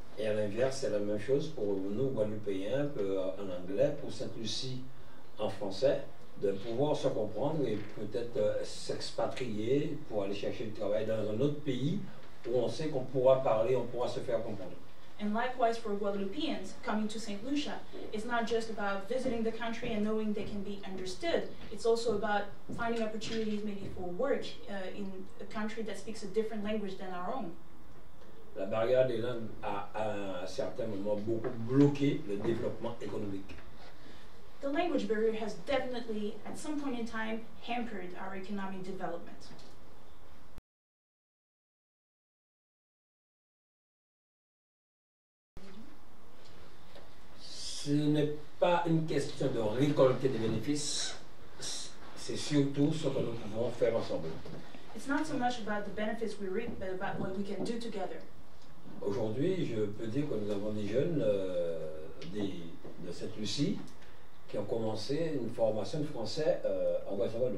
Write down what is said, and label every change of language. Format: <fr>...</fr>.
<fr>Et à l'inverse, c'est la même chose pour nous, Guadeloupéens, en anglais, pour Sainte-Lucie, en français, de pouvoir se comprendre et peut-être s'expatrier pour aller chercher du travail dans un autre pays où on sait qu'on pourra parler, on pourra se faire comprendre.</fr> <en>And likewise for Guadeloupeans coming to St. Lucia, it's not just about visiting the country and knowing they can be understood. It's also about finding opportunities maybe for work in a country that speaks a different language than our own.</en> <fr>La barrière des langues a à un certain moment beaucoup bloqué le développement économique.</fr> <en>The language barrier has definitely, at some point in time, hampered our economic development.</en> <fr>Ce n'est pas une question de récolter des bénéfices, c'est surtout ce que nous pouvons faire ensemble.</fr> <en>It's not so much about the benefits we reap, but about what we can do together.</en> <fr>Aujourd'hui, je peux dire que nous avons des jeunes de cette Lucie qui ont commencé une formation de français en Guadeloupe.</fr>